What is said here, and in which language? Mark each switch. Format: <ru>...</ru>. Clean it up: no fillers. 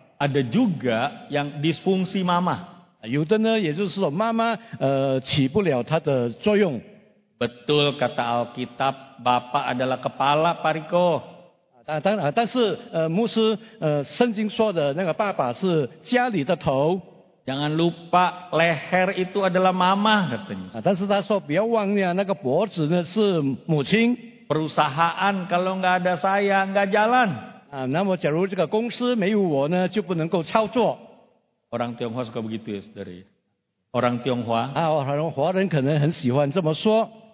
<id>ada juga yang disfungsi mama.</id> <zh>有的呢，也就是说妈妈起不了她的作用。</zh> <id>Betul kata Alkitab, bapa adalah kepala, Pariko.</id> <zh>但是牧师圣经说的那个爸爸是家里的头。</zh> <id>Jangan lupa leher itu adalah mama katanya.</id> <zh>但是他说别忘了那个脖子呢是母亲。</zh> <id>Perusahaan kalau enggak ada saya enggak jalan.</id> <zh>那么假如这个公司没有我呢就不能够操作。</zh> <id>Orang Tionghoa suka begitu ya, saudari. Orang Tionghoa. Orang Tionghoa</id> <zh>可能很喜欢这么说。</zh>